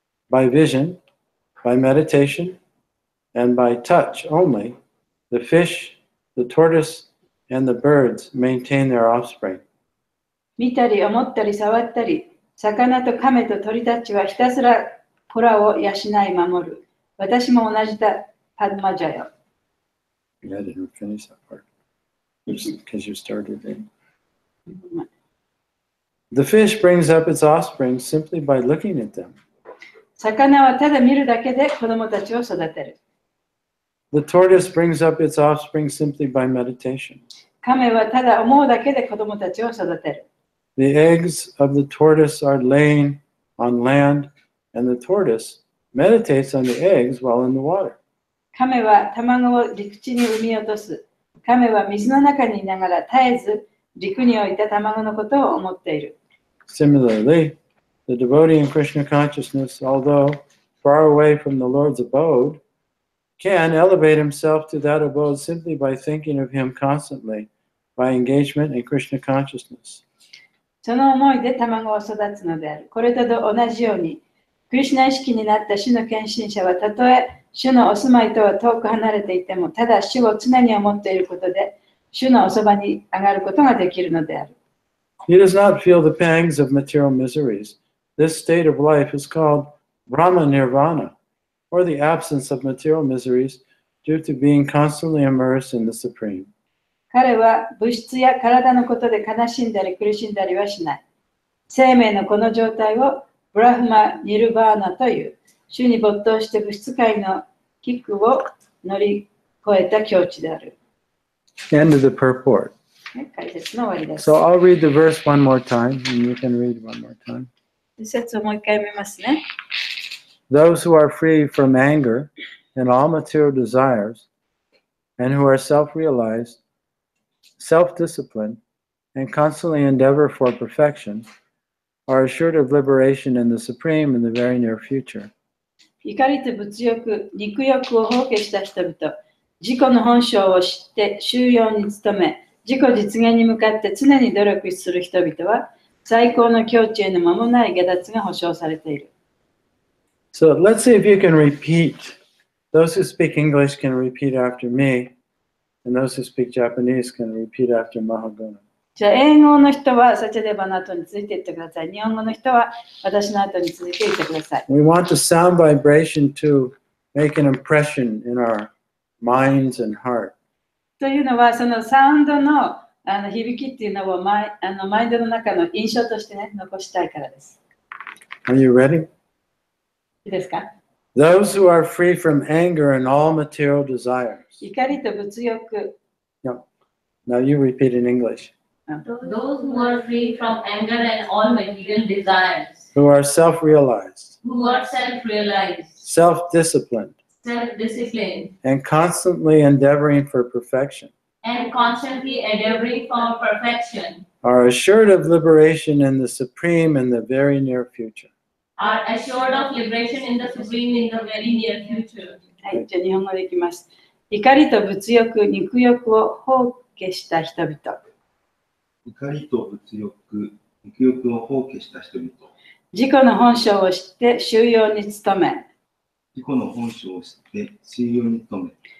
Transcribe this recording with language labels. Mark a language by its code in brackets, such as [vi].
[en] By vision, by meditation, and by touch only, the fish, the tortoise, and the birds maintain their offspring. [ja] 見たり思ったり触ったり、魚と亀と鳥たちはひたすら子らを養い守る。私も同じだ、パドマジャ [en] ヨ。Yeah, I didn't finish that part. Because you started it. The fish brings up its offspring simply by looking at them. [ja] 魚はただ見るだけで子供たちを育てる。 [en] The tortoise brings up its offspring simply by meditation. [ja] 亀はただ思うだけで子供たちを育てる。 [en] The eggs of the tortoise are laying on land, and the tortoise meditates on the eggs while in the water. [ja] 亀は卵を陸地に産み落とす。亀は水の中にいながら絶えず陸に置いた卵のことを思っている。 [en] Similarly, the devotee in Krishna consciousness, although far away from the Lord's abode, can elevate himself to that abode simply by thinking of him constantly, by engagement in Krishna consciousness. [ja] その思いで卵を育つのである。これと同じように、クリシナ意識になった主の献身者はたとえ主のお住まいとは遠く離れていても、ただ主を常に思っていることで主のおそばに上がることができるのである。 [en] He does not feel the pangs of material miseries. This state of life is called Brahma Nirvana, or the absence of material miseries due to being constantly immersed in the Supreme. [ja] 彼は物質や体のことで悲しんだり苦しんだりはしない。生命のこの状態をブラフマ・ニルバーナという、主に没頭して物質界のキックを乗り越えた境地である。 [en] End of the purport. [ja] 解説の終わりです。 [en] So I'll read the verse one more time, and you can read one more time. Those who are free from anger and all material desires, and who are self-realized, self-disciplined, and constantly endeavor for perfection, are assured of liberation in the Supreme in the very near future. [ja] 怒りと物欲、肉欲を放棄した人々、自己の本性を知って修養に努め、自己実現に向かって常に努力する人々は、最高の境地への間もない下脱が保証されている。 [en] So let's see if you can repeat. Those who speak English can repeat after me, and those who speak Japanese can repeat after Mahaguna. [ja] じゃあ英語の人はサチャデバの後について言ってください。日本語の人は私の後について言ってください。 [en] We want the sound vibration to make an impression in our minds and heart. [ja] というのはそのサウンドの、あの響きっていうのをマイ、あのマインドの中の印象としてね、残したいからです。 [en] Are you ready? [ja] いいですか? [en] Those who are free from anger and all material desires. [ja] 怒りと物欲。 [en] No. Now you repeat in English. Those who are free from anger and all material desires. Who are self-realized. Who are self-realized. Self-disciplined. Self-disciplined. And constantly endeavoring for perfection. And constantly endeavoring for perfection. Are assured of liberation in the Supreme in the very near future. Are assured of liberation in the Supreme in the very near future. [ja] はい、じゃあ日本語でいきます。怒りと物欲、肉欲を放棄した人々。怒りと物欲、肉欲を放棄した人々。自己の本性を知って修養に努め。自己の本性を知って修養に努め。